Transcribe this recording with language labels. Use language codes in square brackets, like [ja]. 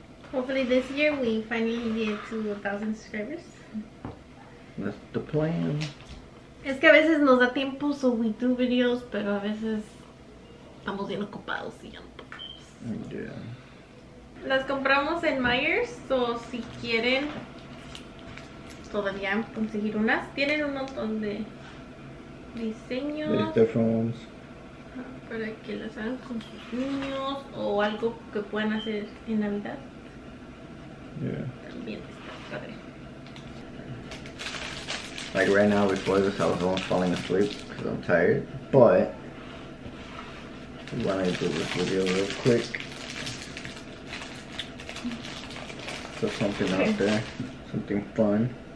[en] Hopefully this year we finally get to 1,000 subscribers. That's the plan. [es] Es que a veces nos da tiempo, [en] so we do videos, [es] pero a veces estamos bien ocupados y ya no. [en] Yeah. [es] Las compramos en Myers, so si quieren todavía conseguir unas. Tienen un montón de diseños. [en] There's different ones. [es] Para que las hagan con sus niños o algo que puedan hacer en Navidad. [en] Yeah. [es] También está padre. [en] Like right now, before this, I was almost falling asleep because I'm tired, but. Why don't I do this video real quick? So something out there, something fun.